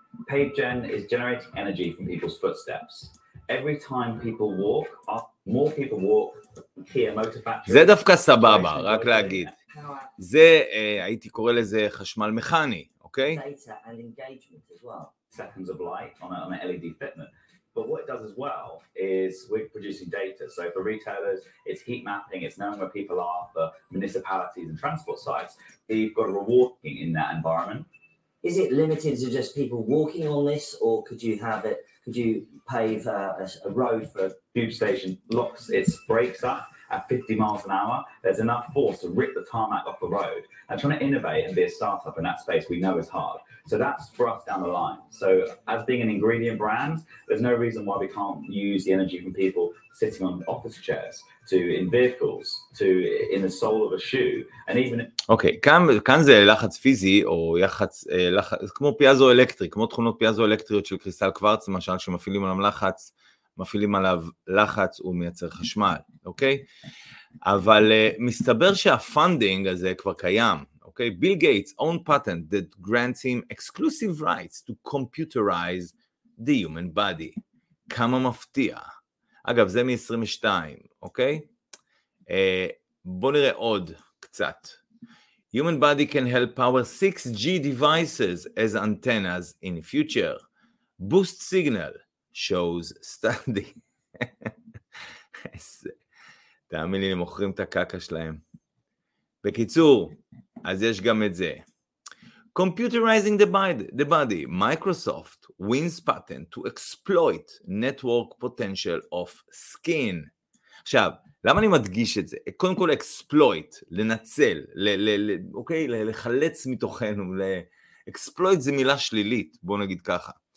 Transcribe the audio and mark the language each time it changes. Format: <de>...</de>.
<en>Pave Gen is generating energy from people's footsteps. Every time people walk, more people walk, Kia Motor Factory.</en> <he>זה דווקא סבבה, רק להגיד. זה, הייתי קורא לזה חשמל מכני, אוקיי?</he> <en>Data and engagement as well. Seconds of light on an LED fitment. But what it does as well is we're producing data. So for retailers, it's heat mapping, it's knowing where people are, for municipalities and transport sites. You've got a reward in that environment. Is it limited to just people walking on this, or could you pave a road for tube station locks its brakes up at 50 miles an hour, there's enough force to rip the tarmac off the road. And trying to innovate and be a startup in that space, we know is hard. So that's for us down the line. So as being an ingredient brand, there's no reason why we can't use the energy from people sitting on office chairs, to in vehicles, to in the sole of a shoe, and even...</en> <he>Okay, כאן זה לחץ פיזי, או יחץ, לחץ, כמו פיאזו אלקטרי, כמו תכונות פיאזו אלקטריות של קריסטל קוורץ, למשל, שמפעילים עליו לחץ, מפעילים עליו לחץ ומייצר חשמל, אוקיי? אבל מסתבר שהפנדינג הזה כבר קיים, אוקיי?</he> <en>ביל גייטס, own patent that grants him exclusive rights to computerize the human body.</en> <he>כמה מפתיע. אגב, זה מ-22, אוקיי? בוא נראה עוד קצת.</he> <en>Human body can help power 6G devices as antennas in future. Boost signal. shows study.</en> <he>תאמין לי, הם מוכרים את הקקה שלהם. בקיצור, אז יש גם את זה.</he> <en>Computerizing the body. Microsoft wins patent to exploit network potential of skin.</en> <he>עכשיו, למה אני מדגיש את זה? קודם כל, exploit, לנצל, לחלץ מתוכנו, exploit זה מילה שלילית, בוא נגיד ככה.</he>